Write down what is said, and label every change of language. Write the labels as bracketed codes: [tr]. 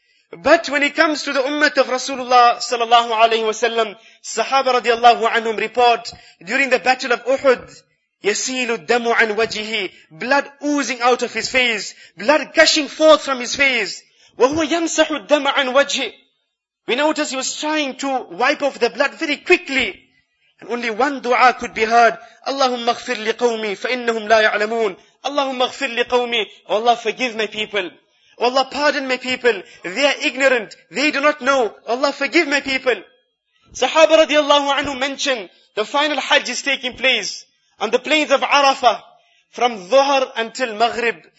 [en] But when it comes to the ummah of Rasulullah sallallahu alayhi wa sallam, Sahaba radiallahu anhum report, during the battle of Uhud, [ar] يَسِيلُ الدَّمُ عَنْ وَجِهِ, [en] blood oozing out of his face, blood gushing forth from his face. [ar] وَهُوَ يَمْسَحُ الدَّمَ عَنْ وَجِهِ. [en] We notice he was trying to wipe off the blood very quickly. And only one dua could be heard. [ar] اللهم اغفر لقومي فإنهم لا يعلمون. اللهم اغفر لقومي. [en] Oh Allah, forgive my people. Oh Allah, pardon my people. They are ignorant. They do not know. Oh Allah, forgive my people. Sahaba radiallahu anhu mentioned the final hajj is taking place on the plains of Arafah from Dhuhr until Maghrib.